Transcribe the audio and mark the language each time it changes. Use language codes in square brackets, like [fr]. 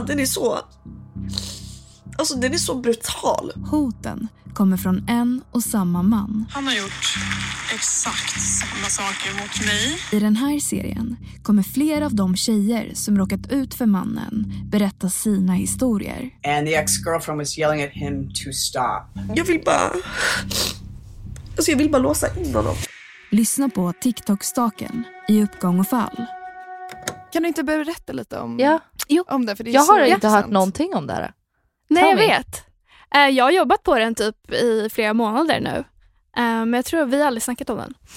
[sv] Den är så, alltså den är så brutal. Hoten kommer från en och samma man. Han har gjort exakt samma saker mot mig. I den här serien kommer fler av de tjejer som råkat ut för mannen berätta sina historier. [en] And the ex-girlfriend was yelling at him to stop. [sv] Jag vill bara låsa in honom. Lyssna på TikTok-staken i uppgång och fall. Kan du inte berätta lite om, om det? För det är, jag har inte intressant. Hört någonting om det här. Nej, jag vet. Jag har jobbat på den typ i flera månader nu. Men jag tror att vi aldrig snackat om den.